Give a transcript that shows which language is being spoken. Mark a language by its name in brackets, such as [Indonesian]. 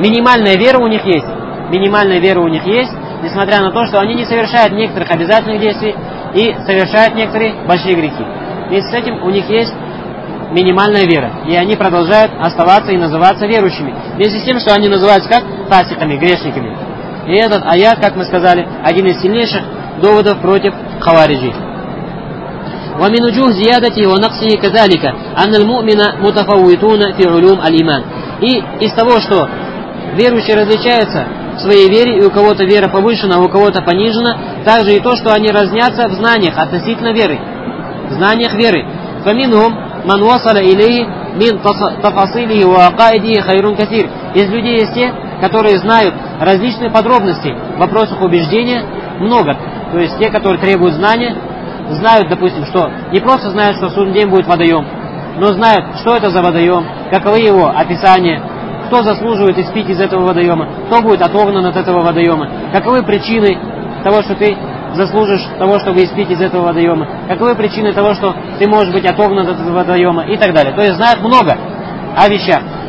[Russian] Минимальная вера у них есть. Минимальная вера у них есть, несмотря на то, что они не совершают некоторых обязательных действий и совершают некоторые большие грехи. Вместе с этим у них есть минимальная вера. И они продолжают оставаться и называться верующими. Вместе с тем, что они называются как? Фасиками, грешниками. И этот аят, как мы сказали, один из сильнейших доводов против хавариджи. [Arabic] ومن وجوه زيادته ونقصه كذلك أن المؤمن متفاوتون في علوم الإيمان. [Russian] И из того, что верующие различаются в своей вере, и у кого-то вера повышена, а у кого-то понижена, также и то, что они разнятся в знаниях относительно веры. В знаниях веры. [Arabic] فمنهم من وصل إليه من تفاصيله وعقائده خير كثير. [Russian] Из людей есть те, которые знают различные подробности в вопросах убеждения много. То есть те, которые требуют знания. Знают, допустим, что не просто знают, что в судный день будет водоем, но знают, что это за водоем, каковы его описания, кто заслуживает испить из этого водоема, кто будет отогнан от этого водоема, каковы причины того, что ты заслужишь того, чтобы испить из этого водоема, каковы причины того, что ты можешь быть отогнан от этого водоема и так далее. То есть знают много о вещах.